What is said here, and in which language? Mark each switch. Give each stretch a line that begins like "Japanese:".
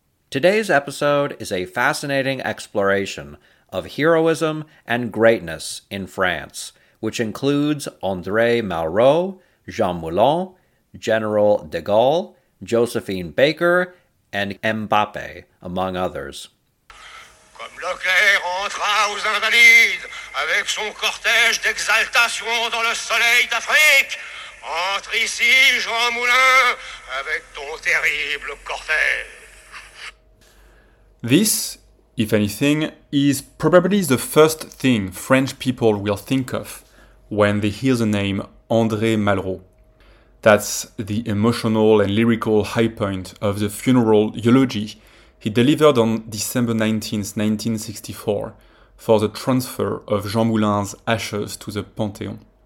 English: Today's episode is a fascinating exploration of heroism and greatness in France, which includes André Malraux, Jean Moulin, General de Gaulle, Josephine Baker, and Mbappé, among others.
French: Comme Leclerc entra aux Invalides avec son cortège d'exaltation dans le soleil d'Afrique, entre ici Jean Moulin avec ton terrible cortège.
English: This, if anything, is probably the first thing French people will think of when they hear the name André Malraux. That's the emotional and lyrical high point of the funeral eulogy he delivered on December 19, 1964, for the transfer of Jean Moulin's ashes to the Panthéon.